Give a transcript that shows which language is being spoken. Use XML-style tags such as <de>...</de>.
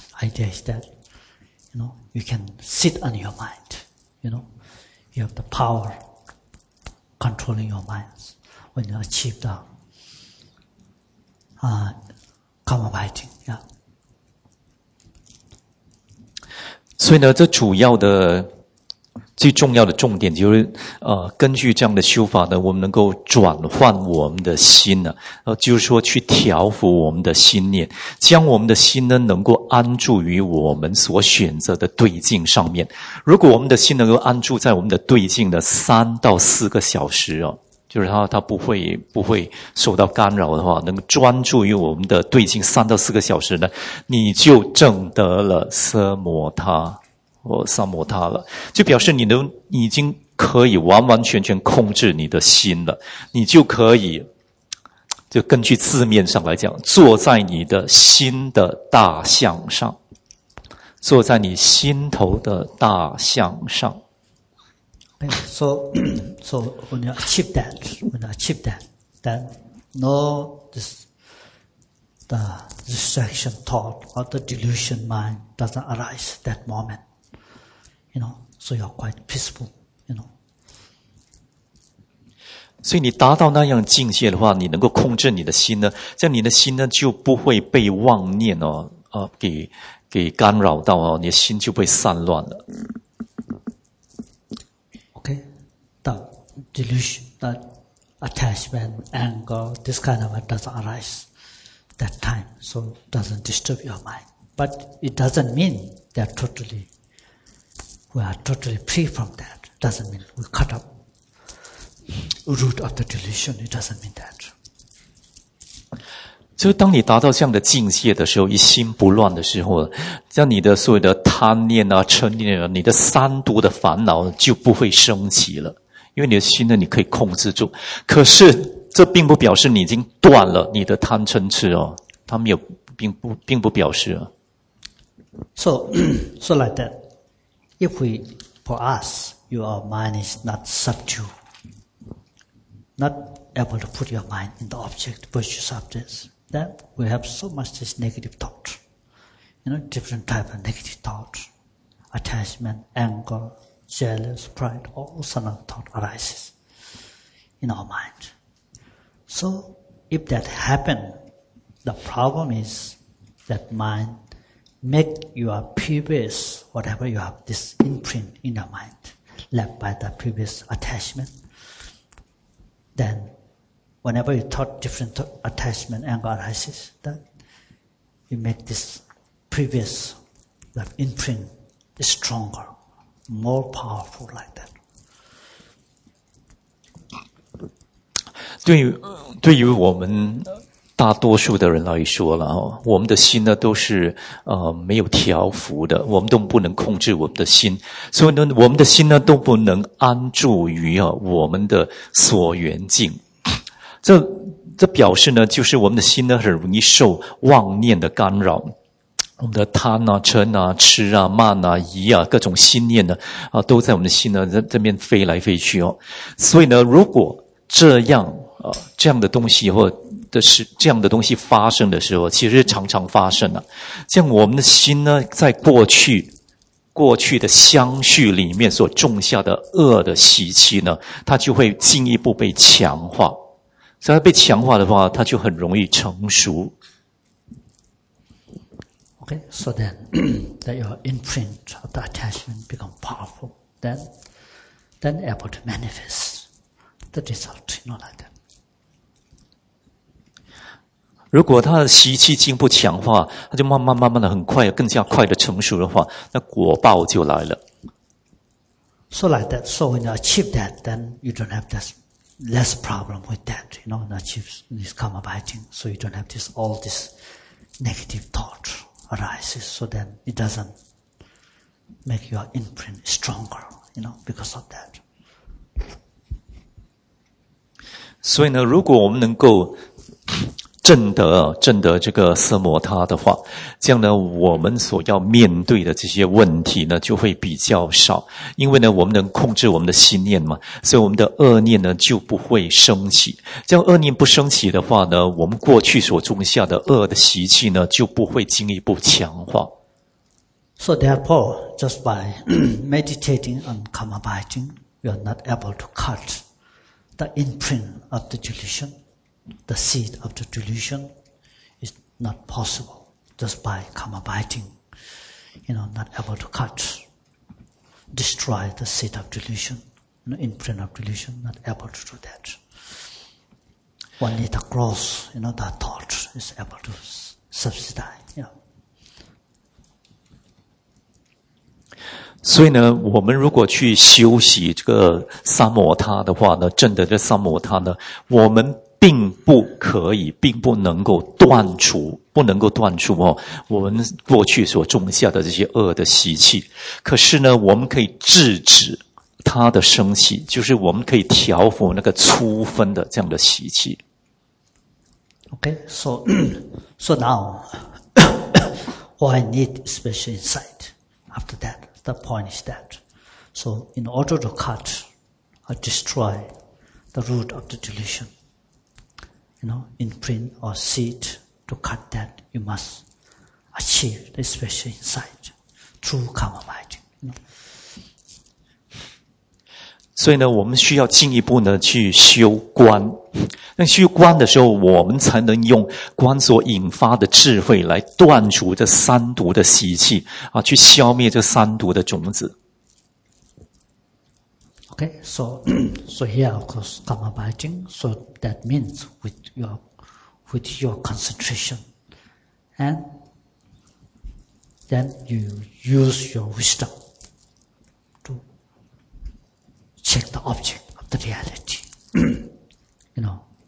<en>Idea is that, you know, you can sit on your mind. You know, you have the power controlling your mind when you achieve the, karma biting. Yeah.</en> <zh>所以呢，这主要的最重要的重点就是，根据这样的修法呢，我们能够转换我们的心呢、啊，就是说去调伏我们的心念，将我们的心呢能够安住于我们所选择的对境上面。如果我们的心能够安住在我们的对境的3到4个小时哦、啊，就是它不会受到干扰的话，能够专注于我们的对境3到4个小时呢，你就证得了奢摩他。我萨摩他了，就表示你能已经可以完完全全控制你的心了，你就可以就根据字面上来讲，坐在你的心的大象上，坐在你心头的大象上。</zh> <en>Okay, so when you achieve that, when you achieve that, then no this the distraction thought or the delusion mind doesn't arise that moment. You know, so you're quite peaceful, you know.</en> <zh>所以你达到那样境界的话，你能够控制你的心呢，这样你的心呢就不会被妄念哦，给干扰到哦，你的心就被散乱了。</zh> <en>Okay, the delusion, the attachment, anger, this kind of doesn't arise that time, so doesn't disturb your mind. But it doesn't mean they're totally. We are totally free from that. Doesn't mean we cut up root of the delusion. It doesn't mean that.</en> <zh>就当你达到这样的境界的时候，一心不乱的时候，像你的所有的贪念啊、嗔念啊，你的三毒的烦恼就不会升起了，因为你的心呢，你可以控制住。可是这并不表示你已经断了你的贪嗔痴哦，它没有，并不表示啊。</zh> <en>So like that. If we, for us, your mind is not subdued, not able to put your mind in the object, versus objects, then we have so much this negative thought. You know, different type of negative thought. Attachment, anger, jealous, pride, all sorts of thought arises in our mind. So, if that happen, the problem is that mindMake your previous, whatever you have, this imprint in your mind, left by the previous attachment. Then, whenever you thought different attachment, anger arises, then you make this previous imprint stronger, more powerful like that.</en> <zh>对于我们大多数的人来说了，我们的心呢都是没有调伏的，我们都不能控制我们的心，所以呢我们的心呢都不能安住于我们的所缘境。这表示呢就是我们的心呢很容易受妄念的干扰，我们的贪啊、嗔啊、痴啊、慢啊、疑啊，各种心念呢都在我们的心呢这边飞来飞去哦。所以呢如果这样的东西或的是这样的东西发生的时候，其实常常发生了、啊。像我们的心呢，在过去的相续里面所种下的恶的习气呢，它就会进一步被强化。所以它被强化的话，它就很容易成熟。</zh> <en>Okay, so then that your imprint of the attachment becomes powerful, then able to manifest the result, you know, like that.</en> <zh>如果他的习气经不强化，他就慢慢慢慢的很快，更加快的成熟的话，那果报就来了。</zh> <en>So like that, so when you achieve that, then you don't have this less problem with that, you know, achieve this karma biting, so you don't have this all this negative thought. Arises, so then it doesn't make your imprint stronger, you know, because of that.</en> <zh>所以呢，如果我们能够证得这个色摩他的话，这样呢，我们所要面对的这些问题呢，就会比较少，因为呢，我们能控制我们的心念嘛，所以我们的恶念呢就不会升起。这样恶念不升起的话呢，我们过去所种下的恶的习气呢，就不会进一步强化。</zh> <en>So therefore, just by meditating on karma biting, you are not able to cut the imprint of the delusion. The seed of the delusion is not possible just by karma biting. You know, not able to cut, destroy the seed of delusion, you know, imprint of delusion, not able to do that. Only the growth, you know, that thought is able to subside, you know.</en> <zh>所以呢，我们如果去修习这个萨摩他的话呢，证得这萨摩他呢，我们并不可以，并不能够断除，不能够断除哦，我们过去所种下的这些恶的习气。可是呢，我们可以制止它的生气，就是我们可以调伏那个粗分的这样的习气。</zh> <en>Okay, so now, I need special insight after that. The point is that, so in order to cut or destroy the root of the delusion, you know, imprint or seed, to cut that, you must achieve the special insight through karma biting. You know?</en> <zh>所以呢，我们需要进一步呢去修观。那修观的时候，我们才能用观所引发的智慧来断除这三毒的习气啊，去消灭这三毒的种子。</zh> <en>Okay, so here of course karma biting, so that means with your concentration, and then you use your wisdom to check the object of the reality, you know.</en>